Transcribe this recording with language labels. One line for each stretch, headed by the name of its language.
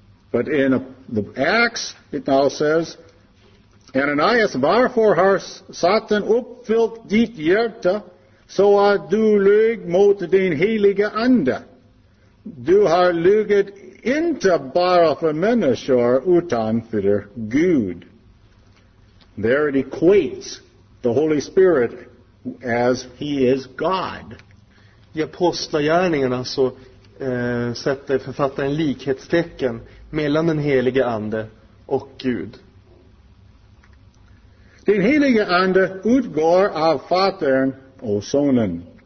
English: But in the Acts it now says,
Swedish: Ananias, varför har Satan uppfyllt ditt hjärta så att du lög mot din heliga ande? Du har lugit inte bara för människor utan för Gud.
English: There it equates the Holy Spirit as he is God.
Swedish: I apostlagärningarna så sätter författaren likhetstecken mellan den helige ande och Gud. Den helige ande utgår av fatern och sonen.